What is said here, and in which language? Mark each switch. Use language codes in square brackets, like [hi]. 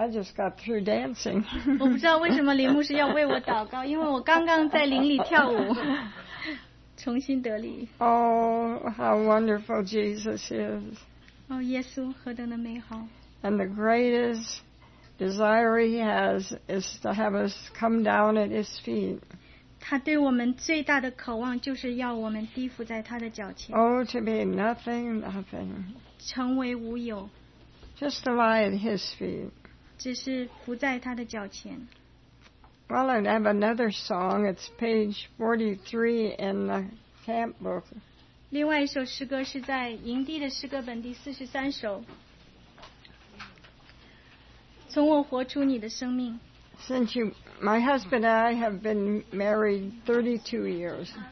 [en] I just got through dancing. [zh] 我不知道为什么林牧师要为我祷告，因为我刚刚在灵里跳舞。重新得力。 [en] Oh, how wonderful Jesus is. [zh] Oh, 耶稣何等的美好。 [en] And the greatest desire he has is to have us come down at his feet. [zh] 他对我们最大的渴望就是要我们低伏在他的脚前。 [en] Oh, to be nothing, nothing. [zh] 成为无有。 [en] Just to lie at his feet. [zh] 只是伏在他的脚前。 [en] Well, I have another song. It's page 43 in the camp book. [zh] 另外一首诗歌是在营地的诗歌本第43首。从我活出你的生命。 [en] Since you, my husband and I have been married 32 years.